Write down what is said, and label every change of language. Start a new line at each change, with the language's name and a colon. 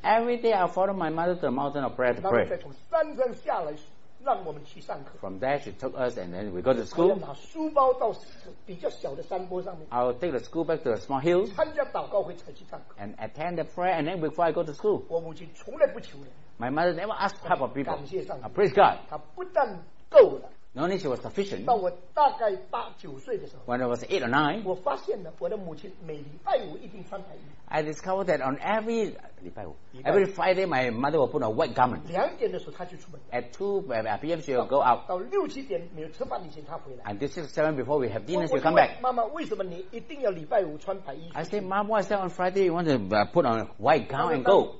English: Every day I followed my mother to the mountain of prayer to pray.
Chinese: 然后再从山上下来，让我们去上课。
English: From there she took us and then we go to school.
Chinese: 拿书包到比较小的山坡上面。
English: I'll take the school back to a small hill.
Chinese: 参加祷告会才去上课。
English: And attend the prayer and then before I go to school.
Chinese: 我母亲从来不求人。
English: My mother never asked help of people.
Chinese: 感谢上帝。
English: Praise God.
Chinese: 她不但够了。
English: Not only she was sufficient.
Chinese: 到我大概八九岁的时候
English: ，when I was 8 or 9,
Chinese: 我发现了我的母亲每礼拜五一定穿白衣。
English: I discovered that on every
Chinese: 礼拜五
English: ，every Friday my mother will put on a white garment.
Chinese: 两点的时候她就出门。
English: At 2 p.m. she will go out.
Chinese: 到六七点没有吃饭以前她回来。
English: And 6 or 7 before we have dinner she will come back.
Chinese: 妈妈，为什么你一定要礼拜五穿白衣？
English: I say, Mom, why say on Friday you want to put on a white gown and go?